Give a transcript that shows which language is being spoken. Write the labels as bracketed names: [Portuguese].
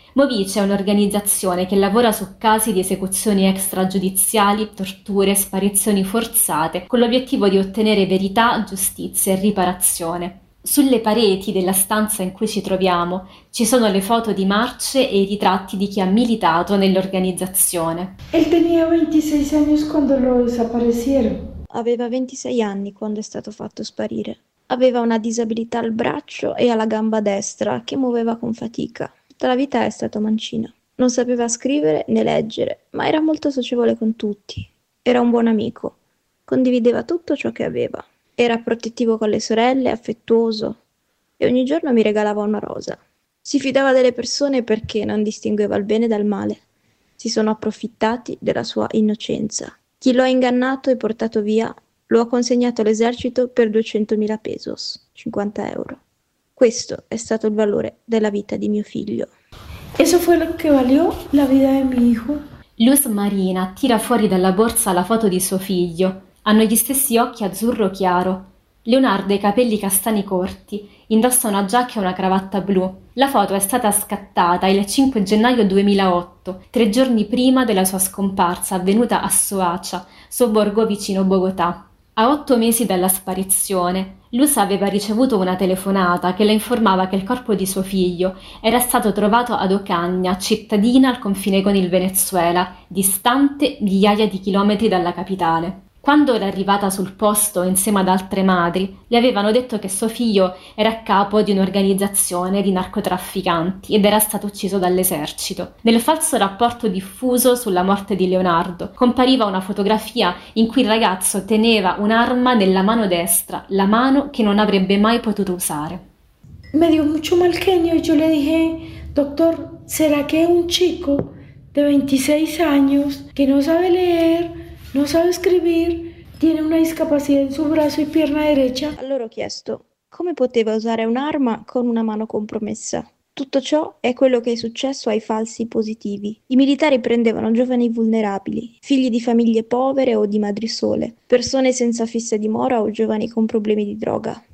[Italian] Movice è un'organizzazione che lavora su casi di esecuzioni extragiudiziali, torture, sparizioni forzate, con l'obiettivo di ottenere verità, giustizia e riparazione. Sulle pareti della stanza in cui ci troviamo ci sono le foto di marce e i ritratti di chi ha militato nell'organizzazione. [Spanish] Él tenía 26 años cuando lo desaparecieron. [Italian] Aveva 26 anni quando è stato fatto sparire. Aveva una disabilità al braccio e alla gamba destra che muoveva con fatica. Tutta la vita è stato mancino. Non sapeva scrivere né leggere, ma era molto socievole con tutti. Era un buon amico. Condivideva tutto ciò che aveva. Era protettivo con le sorelle, affettuoso, e ogni giorno mi regalava una rosa. Si fidava delle persone perché non distingueva il bene dal male. Si sono approfittati della sua innocenza. Chi lo ha ingannato e portato via, lo ha consegnato all'esercito per 200.000 pesos, 50 euro. Questo è stato il valore della vita di mio figlio. [Spanish] Eso fue lo que valió la vida de mi hijo. [Italian] Luz Marina tira fuori dalla borsa la foto di suo figlio. Hanno gli stessi occhi azzurro chiaro. Leonardo ha i capelli castani corti, indossa una giacca e una cravatta blu. La foto è stata scattata il 5 gennaio 2008, 3 giorni prima della sua scomparsa, avvenuta a Soacha, sobborgo vicino Bogotà. A 8 mesi dalla sparizione, Lusa aveva ricevuto una telefonata che le informava che il corpo di suo figlio era stato trovato ad Ocaña, cittadina al confine con il Venezuela, distante migliaia di chilometri dalla capitale. Quando era arrivata sul posto insieme ad altre madri, le avevano detto che suo figlio era a capo di un'organizzazione di narcotrafficanti ed era stato ucciso dall'esercito. Nel falso rapporto diffuso sulla morte di Leonardo compariva una fotografia in cui il ragazzo teneva un'arma nella mano destra, la mano che non avrebbe mai potuto usare. [Spanish] Me dio mucho mal genio y yo le dije, doctor, ¿será que un chico de 26 años que no sabe leer? [Italian] Non sa scrivere, [Spanish] tiene una [Italian] discapacità in suo braccio e [Spanish] pierna derecha. [Italian] Allora ho chiesto come poteva usare un'arma con una mano compromessa. Tutto ciò è quello che è successo ai falsi positivi. I militari prendevano giovani vulnerabili, figli di famiglie povere o di madri sole, persone senza fissa dimora o giovani con problemi di droga.